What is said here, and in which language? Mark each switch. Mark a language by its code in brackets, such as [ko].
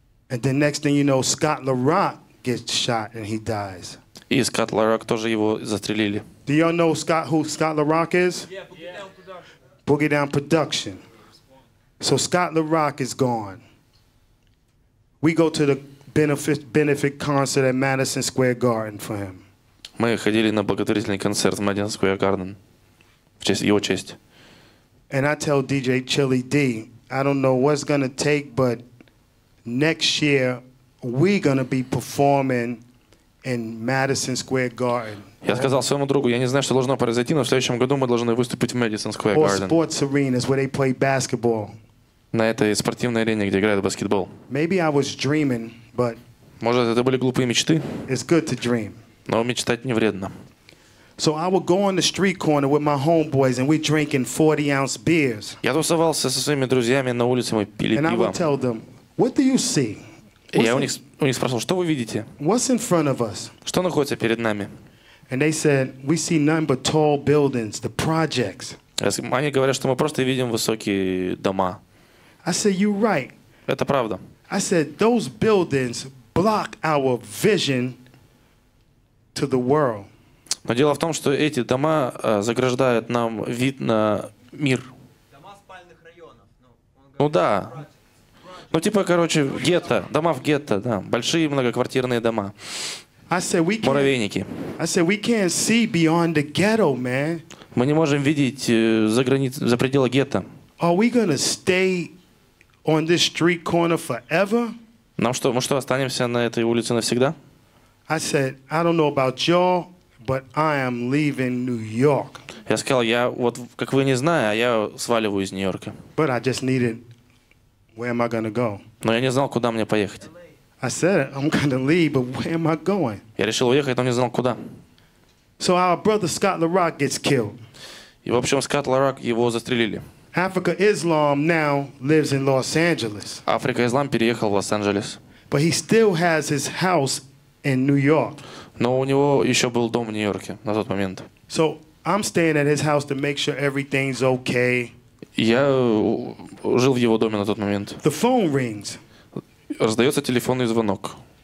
[en] And the next thing you know, Scott LaRock gets shot and he dies. [ru] И Скотт Ларок тоже его застрелили. [en] Do y'all know Scott, who Scott LaRock is? Yeah, Boogie Down Production. Boogie Down Production. So Scott LaRock is gone. We go to the benefit concert at Madison Square Garden for him. [ru] Мы ходили на благотворительный концерт в Madison Square Garden в честь его чести. [en] And I tell DJ Chili D, I don't know what's gonna take, but next year we're gonna be performing in Madison Square Garden. [ru] Я сказал своему другу, я не знаю, что должно произойти, но в следующем году мы должны выступить в Madison Square Garden. [en] Or sports arenas where they play basketball. [ru] На этой спортивной арене, где играют баскетбол. [en] Maybe I was dreaming, but [ru] может, это были глупые мечты? [en] It's good to dream. [ru] Но мечтать не вредно. [en] So I would go on the street corner with my homeboys and we're drinking 40-ounce beers. [ru] Я тусовался со своими друзьями на улице, мы пили пиво. [en] And I would tell them, what do you see? [ru] Я у них спросил, что вы видите? [en] What's in front of us? [ru] Что находится перед нами? [en] And they said, we see nothing but tall buildings, the projects. [ru] Они говорят, что мы просто видим высокие дома. [en] I said, you're right. [ru] Это правда. [en] I said, those buildings block our vision to the world. [ru] Но дело в том, что эти дома заграждают нам вид на мир. Дома спальных районов. Ну да. Ну типа, короче, гетто, дома в гетто, да, большие многоквартирные дома. Муравейники. [en] I said we can't see beyond the ghetto, man. [ru] Мы не можем видеть за пределы гетто. [en] Are we gonna stay on this street corner forever? [ru] Нам что, мы что, останемся на этой улице навсегда? [en] I said I don't know about y'all, but I am leaving New York. [ru] Я сказал, я вот как вы не знаю, а я сваливаю из Нью-Йорка. [en] But I just needed. Where am I gonna go? [ru] Но я не знал, куда мне поехать. [en] I said I'm gonna leave, but where am I going? [ru] Я решил уехать, но не знал куда. [en] So our brother Scott LaRock gets killed. [ru] И в общем Скотт Ларок его застрелили. [en] Africa Islam now lives in Los Angeles. [ru] Африка Ислам переехал в Лос-Анджелес. [en] But he still has his house in New York. [ru] Но у него еще был дом в Нью-Йорке на тот момент. [en] So I'm staying at his house to make sure everything's okay. [ru] Я жил в его доме на тот момент. [en] The phone rings. [ru] Раздается телефонный звонок.